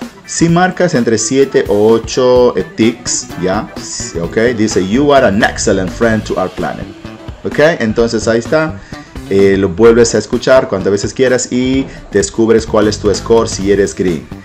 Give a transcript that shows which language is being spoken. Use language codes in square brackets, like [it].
[es] Si marcas entre 7 o 8 ticks, ¿ya? ¿Ok? [en] Dice, you are an excellent friend to our planet. [es] ¿Ok? Entonces, ahí está. Lo vuelves a escuchar cuantas veces quieras y descubres cuál es tu score si eres green.